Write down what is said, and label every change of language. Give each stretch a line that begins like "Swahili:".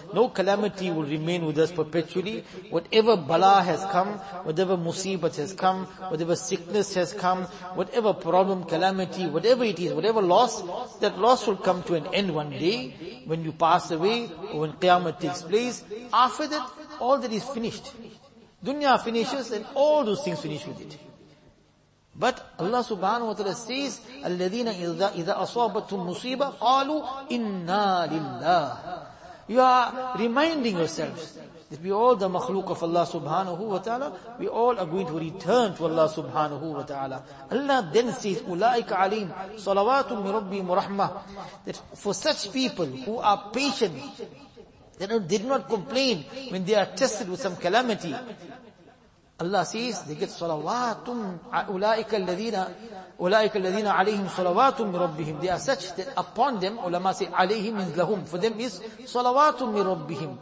English: No calamity will remain with us perpetually. Whatever bala has come, whatever musibat has come, whatever sickness has come, whatever problem, calamity, whatever it is, whatever loss, that loss will come to an end one day when you pass away or when qiyamah takes place. After that, all that is finished. Dunya finishes and all those things finish with it. But Allah subhanahu wa ta'ala says,
Arabic: الَّذِينَ إِذَا أَصَابَتْهُمْ مُصِيبَةٌ قَالُوا إِنَّا لِلَّهِ.
English: You are reminding yourselves that we all the makhluk of Allah subhanahu wa ta'ala, we all are going to return to Allah subhanahu wa ta'ala. Allah then says,
Arabic: أُولَٰئِكَ عَلِيمٌ صَلَوَاتٌ مِّن رَبِّهِمْ وَرَحْمَةٌ.
English: That for such people who are patient, they did not complain when they are tested with some calamity, Allah says, they get salawatum, ulaika alladhina alayhim salawatum mir rabbihim. They are such that upon them, ulama say, alayhim means lahum. For them is salawatum mir rabbihim.